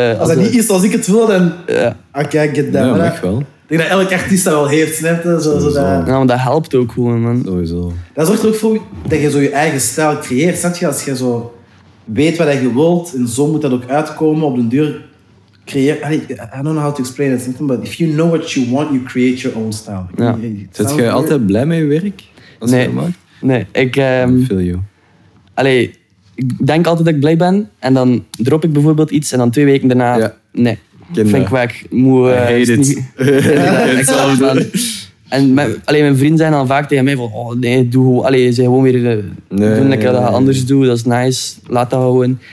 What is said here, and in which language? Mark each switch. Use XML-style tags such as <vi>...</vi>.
<nl>als dat niet is zoals ik het wil, dan, Oké,</nl> <en>get that.</en> <nl>Ja, mag wel. Ik denk dat elk artiest dat wel heeft, snap je? Zo. Ja, maar dat helpt ook gewoon, man. Sowieso. Dat zorgt er ook voor dat je zo je eigen stijl creëert, snap je? Als je zo weet wat je wilt en zo moet dat ook uitkomen op de duur.</nl> <en>I don't know how to explain it, something, but if you know what you want, you create your own style.</en> <nl>Ja. Zet je altijd blij met je werk? Nee, ik</nl> <en>feel you.</en> <nl>Allee, ik denk altijd dat ik blij ben en dan drop ik bijvoorbeeld iets en dan twee weken daarna, vind ik wel moe.</nl> <en>I hate it.</en> <nl>En mijn vrienden zijn dan vaak tegen mij van, zeg gewoon weer, doe dat anders, dat is nice, laat dat gewoon.</nl>